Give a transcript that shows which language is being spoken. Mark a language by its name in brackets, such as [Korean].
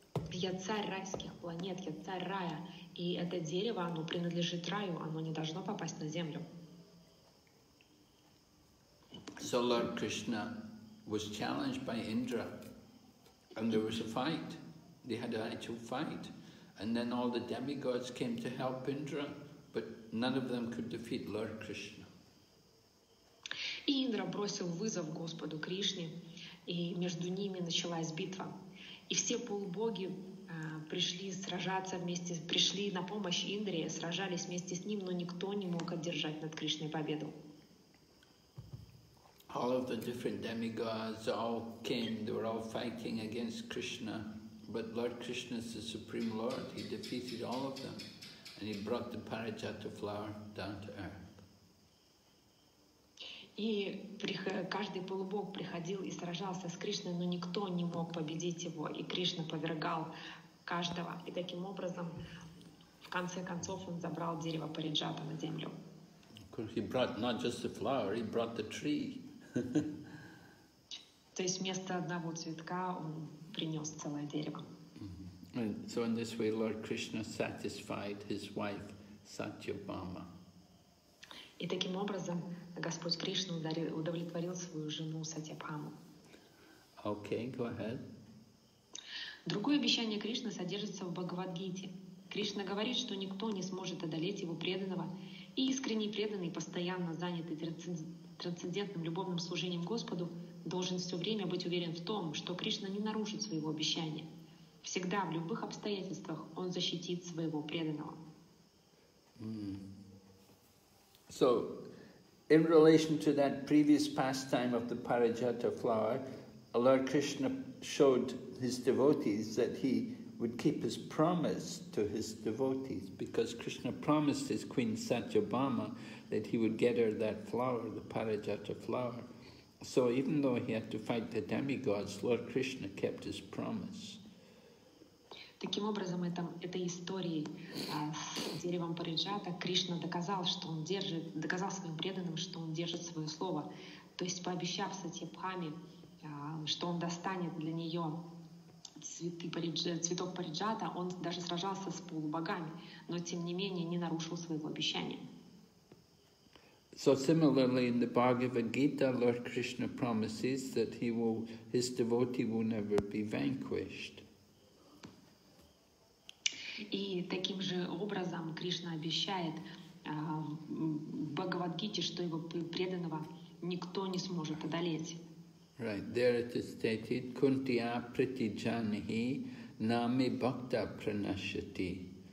[Russian] Я царь райских планет, я царь рая, и это дерево, оно принадлежит раю, оно не должно попасть на землю. [English] So Lord Krishna was challenged by Indra, and there was a fight. They had an actual fight, and then all the demigods came to help Indra. None of them could defeat Lord Krishna. [Russian] И Индра бросил вызов Господу Кришне, и между ними началась битва. И все полубоги пришли на помощь Индре, сражались вместе с ним, но никто не мог одержать над Кришной победу. [English] All of the different demigods all came, they were all fighting against Krishna, but Lord Krishna is the Supreme Lord, he defeated all of them. And he brought the Parijata flower down to earth. [Russian] И каждый полубог приходил и сражался с Кришной, но никто не мог победить его, и Кришна повергал каждого. И таким образом, в конце концов, он забрал дерево Париджата на землю. [English] He brought not just the flower, he brought the tree. [Russian] То есть вместо одного цветка он принес целое дерево. [English] So in this way, Lord Krishna satisfied his wife, Satyabhama. [Russian] И таким образом Господь Кришна удовлетворил свою жену Сатьябхаму. [English] Okay, go ahead. [Russian] Другое обещание Кришны содержится в Бхагавадгите. Кришна говорит, что никто не сможет одолеть его преданного, и искренний преданный, постоянно занятый трансцендентным любовным служением Господу, должен все время быть уверен в том, что Кришна не нарушит своего обещания. Всегда, в любых обстоятельствах, он защитит своего преданного. [English] So, in relation to that previous pastime of the Parijata flower, Lord Krishna showed his devotees that he would keep his promise to his devotees, because Krishna promised his queen Satyabhama that he would get her that flower, the Parijata flower. So even though he had to fight the demigods, Lord Krishna kept his promise. [Russian] Таким образом, этой историей с деревом Париджата Кришна доказал своим преданным, что он держит свое слово. То есть, пообещав Сатьябхаме, что он достанет для нее цветок Париджата, он даже сражался с полубогами, но тем не менее не нарушил своего обещания. [English] So similarly, in the Bhagavad Gita, Lord Krishna promises that his devotee will never be vanquished. [Russian] И таким же образом Кришна обещает в Бхагавадгите, что его преданного никто не сможет одолеть. [English] Right, there it is stated, [Sanskrit] Kuntiya pritijanihi nami bhakta pranashati.